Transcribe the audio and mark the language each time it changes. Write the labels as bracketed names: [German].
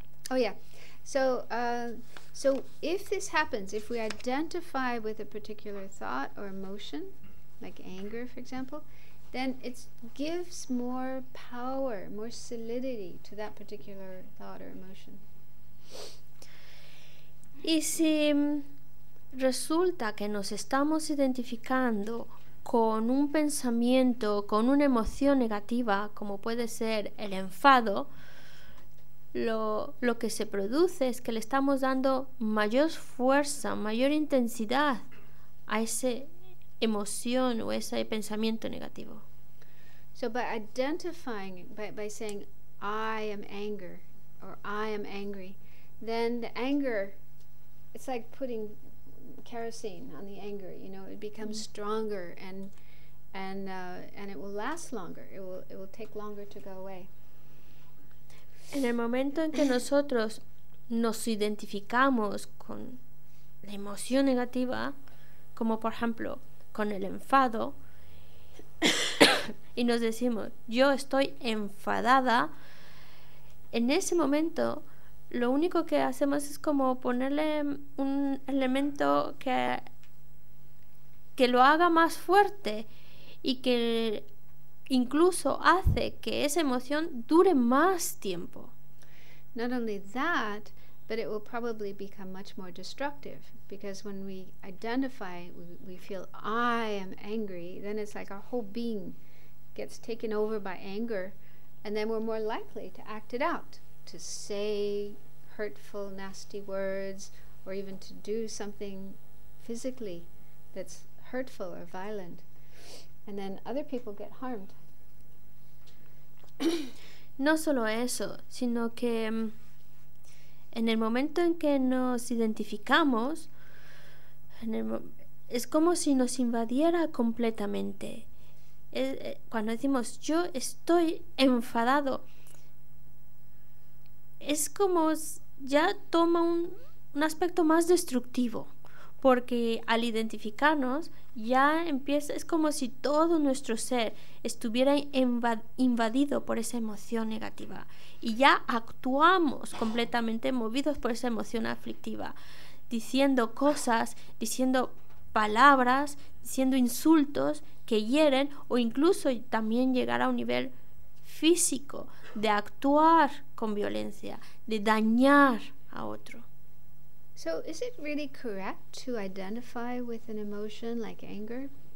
[English] Oh yeah. So if this happens, if we identify with a particular thought or emotion, like anger, for example, then it gives more power, more solidity to that particular thought or emotion. [Spanish] Y si resulta que nos estamos identificando con un pensamiento, con una emoción negativa, como puede ser el enfado, lo que se produce es que le estamos dando mayor fuerza, mayor intensidad a ese emoción o ese pensamiento negativo. [English] So by identifying, by saying I am anger or I am angry, then the anger, it's like putting kerosene on the anger, you know, it becomes stronger and it will last longer. It will take longer to go away. [Spanish] En el momento en que nosotros nos identificamos con la emoción negativa, como por ejemplo con el enfado, y nos decimos yo estoy enfadada, en ese momento lo único que hacemos es como ponerle un elemento que lo haga más fuerte y que incluso hace que esa emoción dure más tiempo. [English] Not only that, but it will probably become much more destructive, because when we identify, we feel I am angry, then it's like our whole being gets taken over by anger, and then we're more likely to act it out, to say hurtful, nasty words, or even to do something physically that's hurtful or violent, and then other people get harmed. [Spanish] No solo eso, sino que en el momento en que nos identificamos, es como si nos invadiera completamente. Cuando decimos yo estoy enfadado, es como ya toma un aspecto más destructivo, porque al identificarnos ya empieza, es como si todo nuestro ser estuviera invadido por esa emoción negativa y ya actuamos completamente movidos por esa emoción aflictiva, diciendo cosas, diciendo palabras, diciendo insultos que hieren o incluso también llegar a un nivel físico de actuar con violencia, de dañar a otro. [English] So, is it really correct to identify with an emotion like anger?